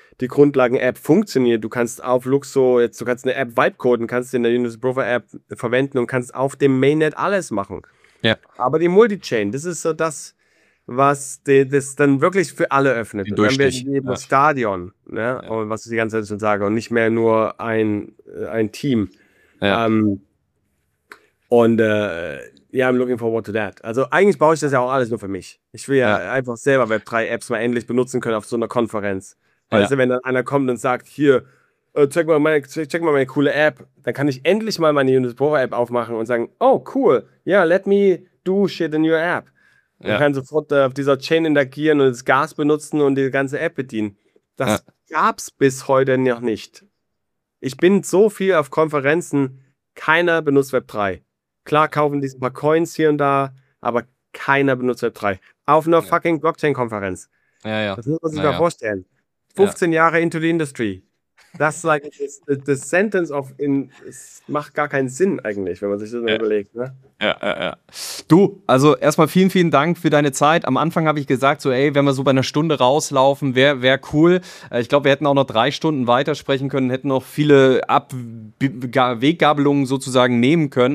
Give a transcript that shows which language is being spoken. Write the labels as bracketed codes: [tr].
[de] Die Grundlagen-App funktioniert. Du kannst auf Luxo, jetzt, du kannst eine App vibe-coden, kannst in der Universal Broker-App verwenden und kannst auf dem Mainnet alles machen. Ja. Aber die Multichain, das ist so das, was das dann wirklich für alle öffnet. Dann haben wir eben das Stadion, ne? Und was ich die ganze Zeit schon sage, und nicht mehr nur ein Team. Ja. [en] I'm looking forward to that. [de] Also eigentlich baue ich das ja auch alles nur für mich. Ich will ja einfach selber Web3-Apps mal endlich benutzen können auf so einer Konferenz. Weißt du, wenn dann einer kommt und sagt, hier, check mal meine coole App, dann kann ich endlich mal meine Unity Pro-App aufmachen und sagen, oh, cool, [en] yeah, let me do shit in your app. [de] Man kann sofort auf dieser Chain interagieren und das Gas benutzen und die ganze App bedienen. Das gab's bis heute noch nicht. Ich bin so viel auf Konferenzen, keiner benutzt Web3. Klar kaufen die ein paar Coins hier und da, aber keiner benutzt Web3. Auf einer fucking Blockchain-Konferenz. Ja, ja. Das muss man sich mal vorstellen. 15 Jahre [en] into the industry. That's like the sentence of in. [de] Es macht gar keinen Sinn eigentlich, wenn man sich das überlegt, ne? Ja. Du, also erstmal vielen, vielen Dank für deine Zeit. Am Anfang habe ich gesagt, so ey, wenn wir so bei einer Stunde rauslaufen, wäre cool. Ich glaube, wir hätten auch noch 3 Stunden weitersprechen können, hätten noch viele Weggabelungen sozusagen nehmen können.